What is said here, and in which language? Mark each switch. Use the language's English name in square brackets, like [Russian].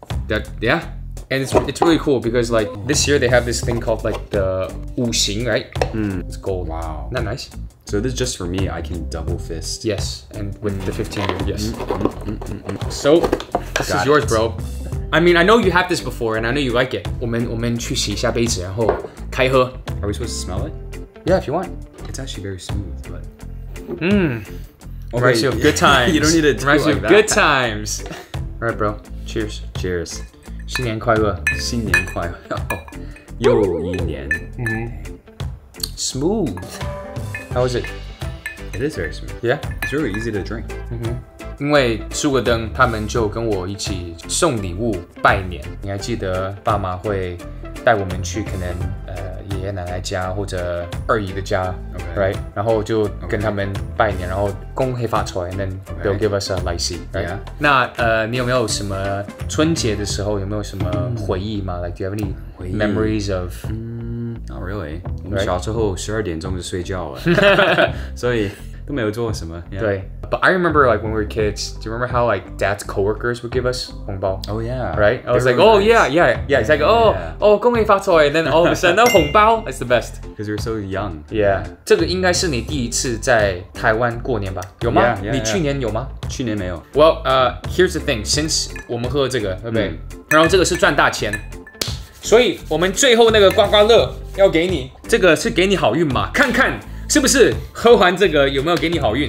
[English] That, yeah, and it's really cool because like this year they have this thing called like the 五行 right? It's gold. Wow, not nice. So this is just for me, I can double fist. Yes, and with the 15-year, yes. So, this is yours, bro. I mean, I know you have this before, and I know you like it. [Chinese] 我们去洗一下杯子，然后开喝。 [English] Are we supposed to smell it? Yeah, if you want. It's actually very smooth, but... Reminds you of good times. You don't need to do like that. Reminds you of good times. All right, bro. Cheers. Cheers. [Chinese] 新年快乐。新年快乐。又一年。 [English] Smooth. How is it? It is very smooth. Yeah, it's really easy to drink. Mm-hmm. [Chinese] 因为苏格登他们就跟我一起送礼物拜年。你还记得爸妈会带我们去可能爷爷奶奶家或者二姨的家 [English] ，right？ [Chinese] 然后就跟他们拜年，然后恭贺发财 ， [English] and then they'll give us a [Chinese] 利息 ，right？ [English] Yeah. [Chinese] 那你有没有什么春节的时候有没有什么回忆吗 ？ [English] Like, do you have any memories of？ Not really. [Chinese] 我们小时候十二点钟就睡觉了，所以都没有做什么。 [English] Yeah. [Chinese] 对。 [English] But I remember like when we were kids. Do you remember how like dad's coworkers would give us 红包？Oh yeah. Right. I was like, oh yeah, yeah, yeah. It's like, oh, oh, [Chinese] 恭喜发财 [English] and then all of a sudden, 那红包 is the best. Because you're so young. Yeah. [Chinese] 这个应该是你第一次在台湾过年吧？有吗？ [English] Yeah, yeah, yeah. [Chinese] 你去年有吗？去年没有。 [English] Well, here's the thing. Since [Chinese] 我们喝了这个，对不对？然后这个是赚大钱，所以我们最后那个刮刮乐。要给你这个是给你好运嘛？看看是不是喝完这个有没有给你好运？